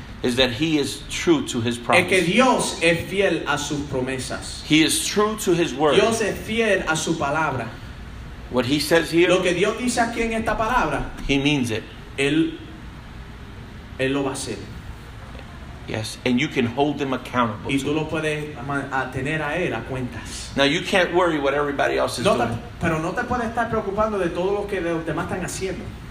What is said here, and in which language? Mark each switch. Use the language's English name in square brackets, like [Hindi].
[English] Is that he is true to his promise. [Spanish] Es que Dios es fiel a sus promesas. [English] He is true to his word. [Spanish] Dios es fiel a su palabra. [English] What he says here, [Spanish] lo que Dios dice aquí en esta palabra, [English] he means it. [Spanish] Él lo va a hacer. [English] Yes, and you can hold him accountable. [Spanish] Y tú lo puedes tener a él a cuentas. [English] Now you can't worry what everybody else is doing. [Spanish] Pero no te puedes estar preocupando de todo lo que los demás están haciendo.